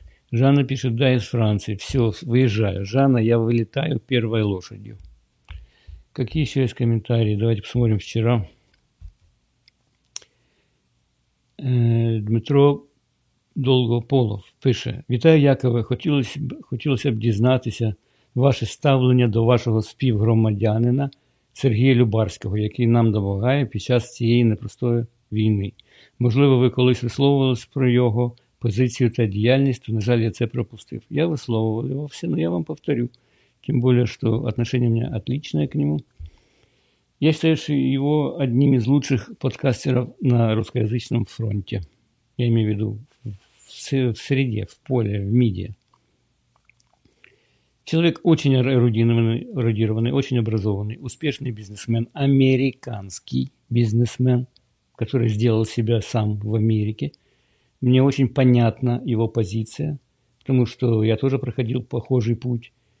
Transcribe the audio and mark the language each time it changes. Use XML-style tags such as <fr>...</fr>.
<ru>Жанна пишет, да, из Франции. Все, выезжаю. Жанна, я вылетаю первой лошадью. Какие еще есть комментарии? Давайте посмотрим вчера. Дмитро Долгополов пишет.</ru> <uk>Вітаю, Якове, хотілося б дізнатися ваше ставлення до вашого співгромадянина Сергія Любарського, який нам допомагає під час цієї непростої війни. Можливо, ви колись висловувались про його позицію та діяльність, то, на жаль, я це пропустив. Я висловлювався, але я вам повторю. Тим більше, що відношення у мене</uk> <ru>отличне к нему.</ru> <uk>Я вважаю, що його одним із лучших подкастерів на російськомовному фронті. Я маю в виду в середі, в полі, в медіа.</uk> <ru>Человек очень эрудированный, очень образованный, успешный бизнесмен, американский бизнесмен, который сделал себя сам в Америке. Мне очень понятна его позиция, потому что я тоже проходил похожий путь.</ru>